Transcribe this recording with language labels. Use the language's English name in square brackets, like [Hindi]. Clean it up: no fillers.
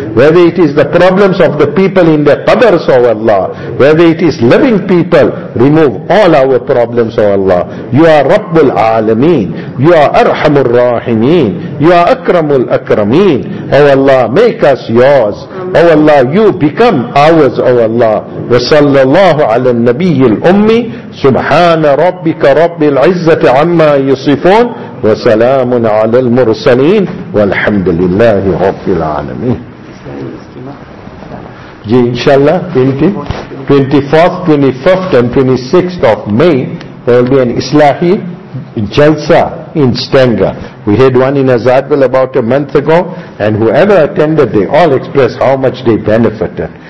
[English] Whether it is the problems of the people in the qabrs, O Allah, whether it is living people, remove all our problems, O Allah. You are Rabbul Alameen. You are Arhamul Rahimeen. You are Akramul Akrameen. O Allah, make us yours. O Allah, you become ours, O Allah. Wa sallallahu ala nabiyyil ummi. [Arabic] سبحان ربك رب العزة عما يصفون وسلام على المرسلين والحمد لله رب العالمين. [English] جي إن شاء الله 24th, 25th and 26th of May there will be an Islahi Jalsa in Stanga. We had one in Azadville about a month ago, and whoever attended, they all expressed how much they benefited.